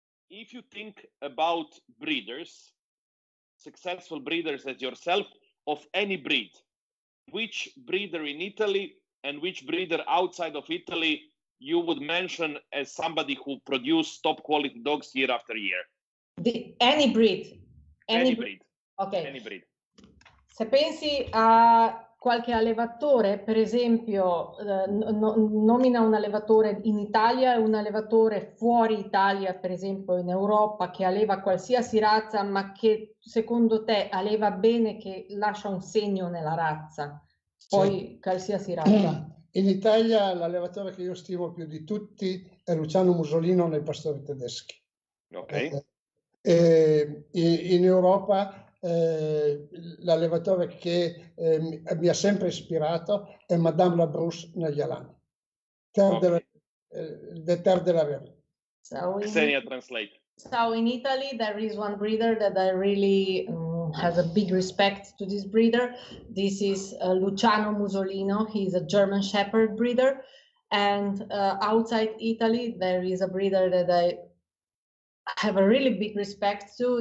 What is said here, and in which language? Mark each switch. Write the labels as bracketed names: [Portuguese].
[English] If you think about breeders, successful breeders as yourself of any breed, which breeder in Italy and which breeder outside of Italy you would mention as somebody who produced top quality dogs year after year? Any breed, Any any breed. breed, any Ok. breed. [Italian] Se pensi a qualche allevatore, per esempio, no, nomina un allevatore in Italia e un allevatore fuori Italia, per esempio in Europa, che alleva qualsiasi razza, ma che secondo te alleva bene, che lascia un segno nella razza, Sì. poi qualsiasi razza. In Italia l'allevatore che io stimo più di tutti è Luciano Musolino nei pastori tedeschi. In Europa l'allevatore che mi ha sempre ispirato è Madame Labrousse negli Alani, de Terre de la Verne. [English] Xenia, translate. So in Italy there is one breeder that I really has a big respect to this breeder. This is Luciano Musolino. He's a German Shepherd breeder. And outside Italy there is a breeder that I have a really big respect to.